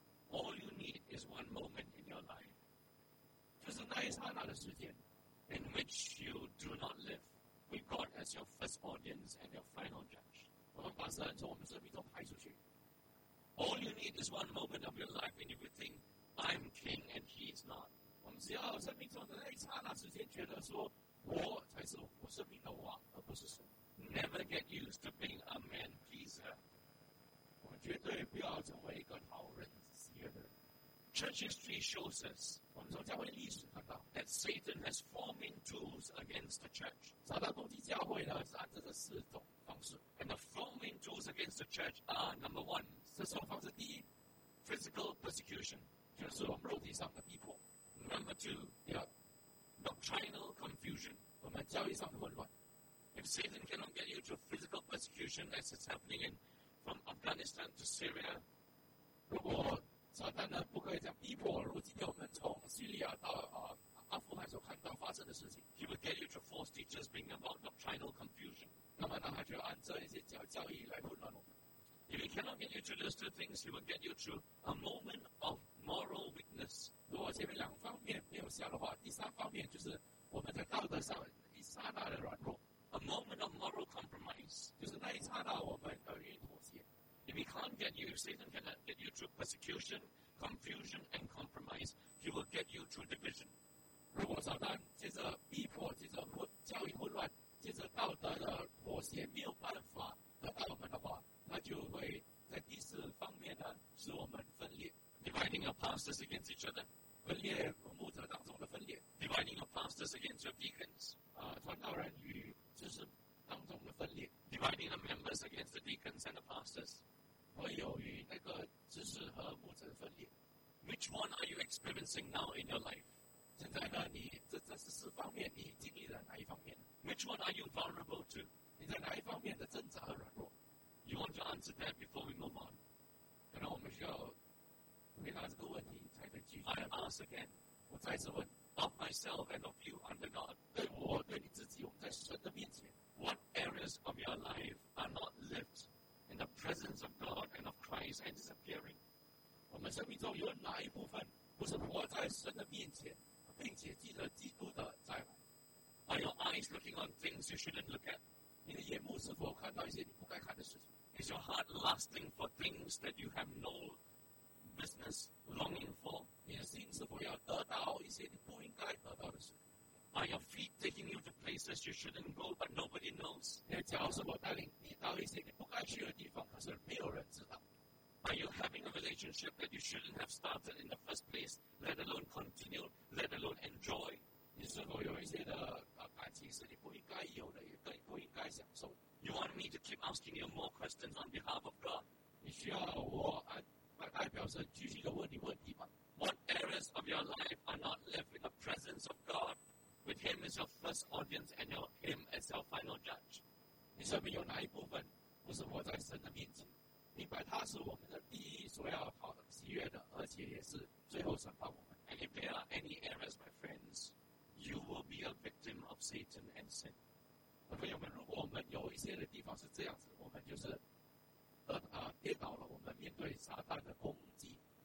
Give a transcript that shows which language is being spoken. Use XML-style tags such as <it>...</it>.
<en>All you need is one moment in your life。</en> <zh>就是那一刹那的时间</zh> <en>，in which you do not live with God as your first audience and your final judge。</en> <zh>我们把神从我们生命中排出去。</zh> <en>All you need is one moment of your life when you think I'm king and He is not。</en> <zh>我们只要生命中的那一刹那时间，觉得说我才是我生命的王，而不是神。</zh> <en>Never get used to being a man pleaser。</en> <zh>我们绝对不要成为一个讨人喜悦的人。</zh> <en>Church history shows us that Satan has forming tools against the church.</en> <zh>撒旦攻击教会呢，是按照这四种方式。</zh> <en>And the forming tools against the church are number one.</en> <zh>这四种方式第一</zh> <en>，physical persecution，</en> <zh>就是我们肉体上的逼迫。</zh> <en>Number two，</en> <zh>第二</zh> <en>，doctrinal confusion，</en> <zh>我们教义上的混乱。</zh> <en>If Satan cannot get you to physical persecution as it's happening in from Afghanistan to Syria，</en> <zh>如果撒旦呢不可以这样逼迫，如今我们从叙利亚到阿富汗所看到发生的事情</zh> <en>，He would get you to false teachers bring about doctrinal confusion。</en> <zh>那么呢，他就按这一些教义来混乱我们。</zh> <en>If he cannot get you to those two things, he will get you to a moment of moral weakness。</en> <zh>如果前面两方面没有效的话，第三方面就是我们在道德上一刹那的软弱</zh> <en>，a moment of moral compromise，</en> <zh>就是那一刹那我们而愿意妥协。</zh> <en>If he can't get you, if Satan cannot get you through persecution, confusion, and compromise, he will get you through division.</en> <zh>如果撒旦借着逼迫、借着教育混乱、借着道德的妥协没有办法得到我们的话，那就会在第四方面呢，使我们分裂。</zh> <en>Dividing your pastors against each other,</en> <zh>分裂牧者当中的分裂。</zh> <en>Dividing your pastors against your deacons,</en> <zh>传道人与执事当中的分裂。</zh> <en>Dividing the members against the deacons and the pastors.</en> <zh>会有与那个执事和牧者的分裂。</zh> <en>Which one are you experiencing now in your life?</en> <zh>现在呢，你这是四方面，你经历了哪一方面</zh> <en>？Which one are you vulnerable to?</en> <zh>你在哪一方面的挣扎和软弱</zh> <en>？You want to answer that before we move on.</en> <zh>可能我们需要回答这个问题才能继续。</zh> <en>I ask again.</en> <zh>我再次问</zh> <en>，of myself and of you under God.</en> <zh>对我，对你自己，我们在神的面前。</zh> <en>What areas of your life are not lived in the presence of God and of Christ and disappearing?</en> <zh>我们生命中有哪一部分不是活在神的面前，并且记得基督的再来？</zh> <en>Are your eyes looking on things you shouldn't look at?</en> <zh>你的眼目是否看到一些你不该看的事情？</zh> <en>Is your heart lusting for things that you have no business longing for?</en> <zh>你的心是否要得到一些你不应该得到的事？</zh> <en>Are your feet taking you to places you shouldn't go, but nobody knows?</en> <zh>你的脚是否带领你到一些你不该去的地方，可是没有人知道？</zh> <en>Are you having a relationship that you shouldn't have started in the first place, let alone continue, let alone enjoy?</en> <zh>你是否有一些的感情是你不应该有的，也更不应该享受。</zh> <en>You want me to keep asking you more questions on behalf of God?</en> <zh>你需要我代表神继续的问你问题吗？</zh> <en>What areas of your life are not left in the presence of God, with Him as your first audience and Him as your final judge?</en> <zh>你生命有哪一部分不是活在神的面前，明白他是我们的第一所要好的喜悦的，而且也是最后审判我们。</zh> <en>And if there are any areas, my friends, you will be a victim of Satan and sin.</en> <zh>朋友们，如果我们有一些的地方是这样子，我们就是跌倒了，我们面对撒旦的攻击。</zh>